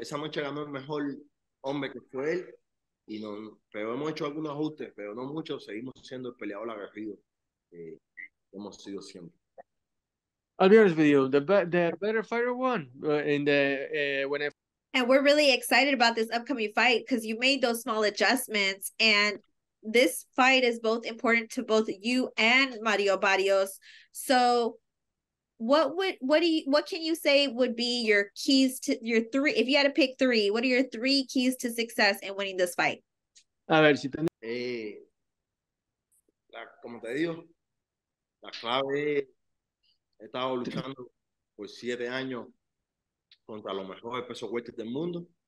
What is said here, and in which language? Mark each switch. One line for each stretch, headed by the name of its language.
Spanish: Esa noche ganó el mejor hombre que fue él, y no, pero hemos hecho algunos ajustes, pero no mucho. Seguimos siendo el peleador agarrido que hemos sido siempre.
English: I'll be honest with you, the better fighter won in the and we're really excited about this upcoming fight because you made those small adjustments, and this fight is both important to both you and Mario Barrios. So what can you say would be your keys to your three? If you had to pick three, what are your three keys to success in winning this fight?
Spanish: A ver, si ten... como te digo, la clave, he estado luchando por 7 años contra los mejores pesos fuertes del mundo.